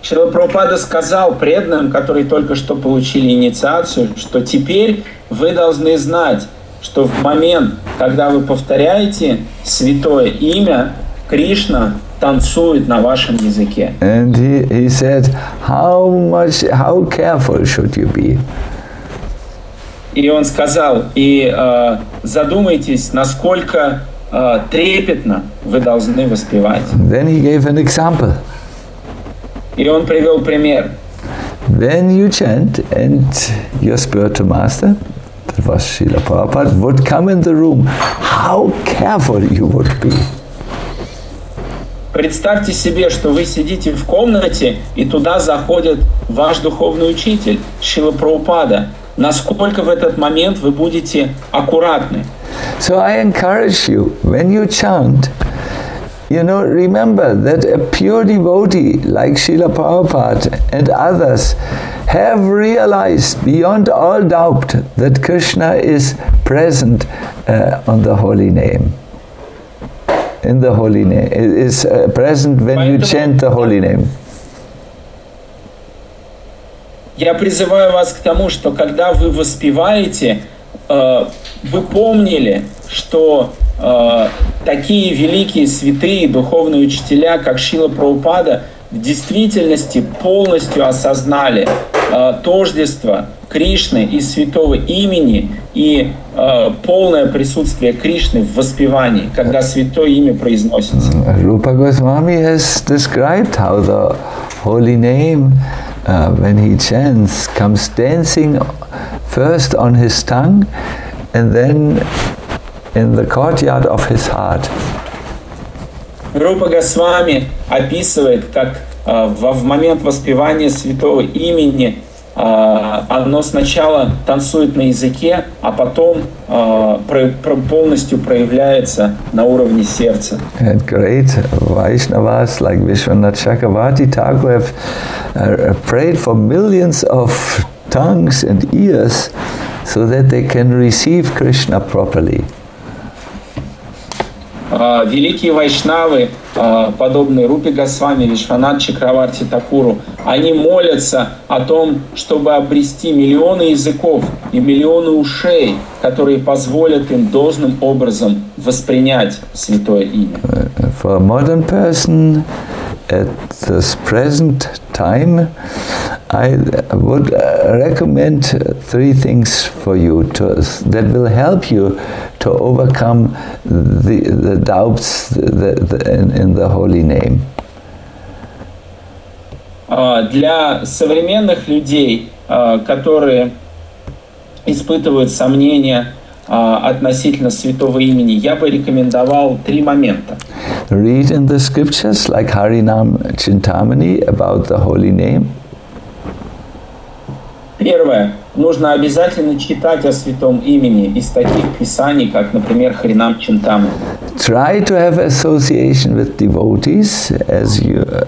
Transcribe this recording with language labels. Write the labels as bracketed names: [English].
[Russian] Шрила Прабхупада сказал преданным, которые только что получили инициацию, что теперь вы должны знать, что в момент, когда вы повторяете святое имя, Кришна танцует на вашем языке. [English] And he said, how careful should you be? [Russian] И он сказал, и задумайтесь, насколько трепетно вы должны воспевать. [English] Then he gave an example. [Russian] И он привел пример. [English] When you chant and your spiritual master, that was Srila Prabhupada, would come in the room, how careful you would be. [Russian] Представьте себе, что вы сидите в комнате, и туда заходит ваш духовный учитель, Шрила Прабхупада. Насколько в этот момент вы будете аккуратны? [English] So I encourage you, when you chant, you know, remember that a pure devotee like Srila Prabhupada and others have realized beyond all doubt that Krishna is present on the holy name. In the holy name. Is present when you chant the holy name. [Russian] Я призываю вас к тому, что когда вы воспеваете, вы помнили, что такие великие святые духовные учителя, как Шрила Прабхупада, в действительности полностью осознали тождество Кришны и святого имени и полное присутствие Кришны в воспевании, когда святое имя произносится. [English] Rupa Goswami has described how the holy name, when he chants, comes dancing first on his tongue and then in the courtyard of his heart. [Russian] Rupa Goswami описывает, как в момент воспевания святого имени оно сначала танцует на языке, а потом полностью проявляется на уровне сердца. [English] And great Vaishnavas like Vishwanath Chakravarti Thakur have prayed for millions of tongues and ears so that they can receive Krishna properly. [Russian] Великие вайшнавы, подобные Рупе Госвами, Вишванатх Чакраварти Такуру, они молятся о том, чтобы обрести миллионы языков и миллионы ушей, которые позволят им должным образом воспринять святое имя. [English] For a modern person at this present time, I would recommend three things for you to, that will help you to overcome the doubts in the holy name. [Russian] Для современных людей, которые испытывают сомнения относительно святого имени, я бы рекомендовал три момента. [English] Read in the scriptures like Harinam Chintamani about the holy name. [Russian] Первое. Нужно обязательно читать о святом имени из таких писаний, как, например, Харинам Чинтамани. [English] Try to have association with devotees as you...